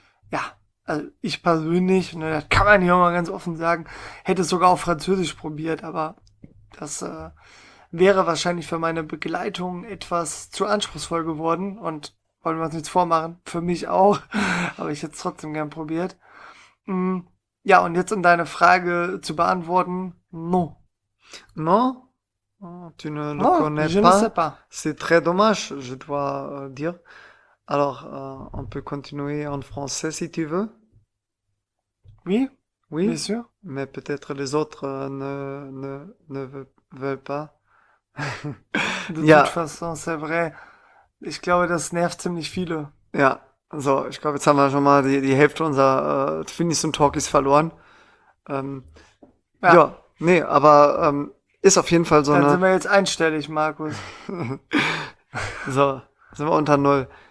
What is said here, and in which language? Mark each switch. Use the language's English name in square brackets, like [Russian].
[German] Ja, also ich persönlich, ne, das kann man hier mal ganz offen sagen, hätte es sogar auf Französisch probiert, aber das wäre wahrscheinlich für meine Begleitung etwas zu anspruchsvoll geworden und wollen wir uns nichts vormachen, für mich auch, aber ich hätte es trotzdem gern probiert. Ja, und jetzt um deine Frage zu beantworten, [French] Non, tu ne le connais pas. Je ne sais pas. C'est très dommage, je dois dire. Alors, on peut continuer en français si tu veux. Oui, oui, bien sûr. Mais peut-être les autres ne veulent pas. De toute façon, c'est vrai. [German] Ich glaube, das nervt ziemlich viele. Ja, so, ich glaube, jetzt haben wir schon mal die Hälfte unserer Twinnies und Talkies verloren. Ja. Nee, aber ist auf jeden Fall so dann eine... Dann sind wir jetzt einstellig, Markus. So, sind wir unter Null.